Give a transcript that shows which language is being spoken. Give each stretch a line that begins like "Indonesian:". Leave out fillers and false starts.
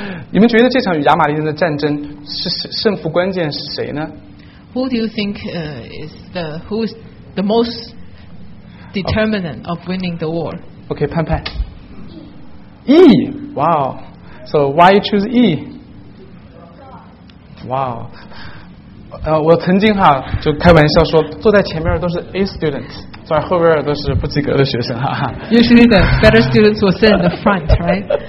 Chinese: 你们觉得这场与亚玛力人的战争是胜负关键是谁呢
English: ？Who do you think who is the most determinant of winning the war? Okay, 潘潘。E. Wow. So why you choose E? Wow.
Chinese: 我曾经哈就开玩笑说，坐在前面都是
English: A student。
Chinese: 在后边都是不及格的学生哈。
English: Usually the better students will sit in the front, right?